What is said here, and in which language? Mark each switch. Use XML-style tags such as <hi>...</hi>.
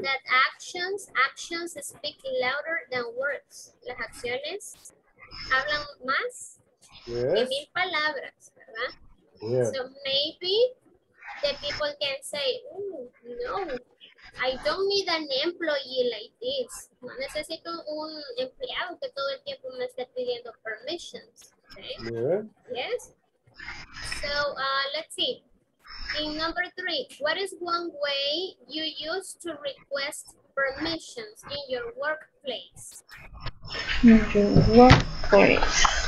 <en>That actions speak louder than words.</en> <es>Las acciones. Hablan más de mil palabras, ¿verdad?</es> <en>Yeah. So maybe the people can say, no, I don't need an employee like this.</en> <es>No necesito un empleado que todo el tiempo me esté pidiendo permissions. Okay?</es> <en>Yeah. Yes. So let's see. In number three, what is one way you use to request permissions in your workplace? In your workplace.</en>